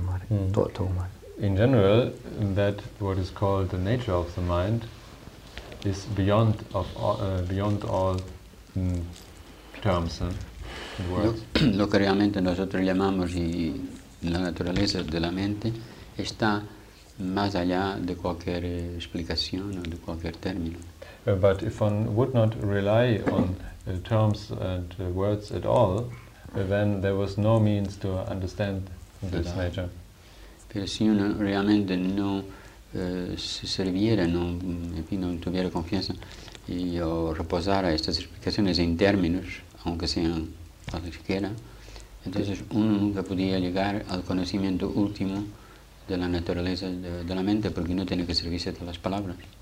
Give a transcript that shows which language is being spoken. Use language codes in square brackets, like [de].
[en] In general, that what is called the nature of the mind is beyond of beyond all terms and words. [es] Lo que realmente nosotros llamamos y la naturaleza de la mente está más allá de cualquier explicación o de cualquier término. [en] But if one would not rely on terms and words at all, then there was no means to understand this nature. [es] Pero si uno realmente no se serviera, no, en fin, no tuviera confianza y o reposara estas explicaciones en términos, aunque sean cualquiera, entonces uno nunca podía llegar al conocimiento último de la naturaleza de la mente, porque no tiene que servirse de las palabras.